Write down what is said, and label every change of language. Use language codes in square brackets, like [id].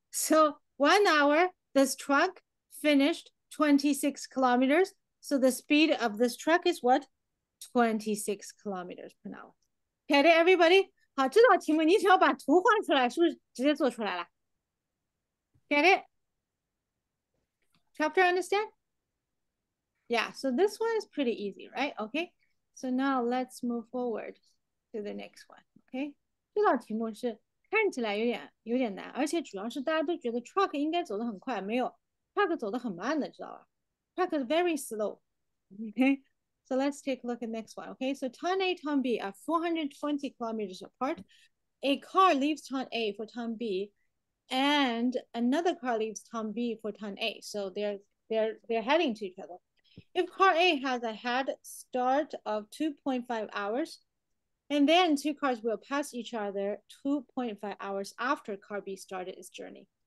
[en] So 1 hour, this truck finished 26 kilometers. So the speed of this truck is what? 26 kilometers per hour. Get it, everybody? [zh] 好，这道题目你只要把图画出来，是不是直接做出来了？ [en] Get it? Chapter understand? Yeah, so this one is pretty easy, right? Okay, so now let's move forward to the next one. [zh] Okay, 这道题目是看起来有点难，而且主要是大家都觉得 truck 应该走得很快，没有 truck 走得很慢的，知道吧？ [en] Truck is very slow. Okay, so let's take a look at next one. Okay, so town A, town B are 420 kilometers apart. A car leaves town A for town B, and another car leaves town B for town A. So they're heading to each other. If car A has a head start of 2.5 hours, and then two cars will pass each other 2.5 hours after car B started its journey.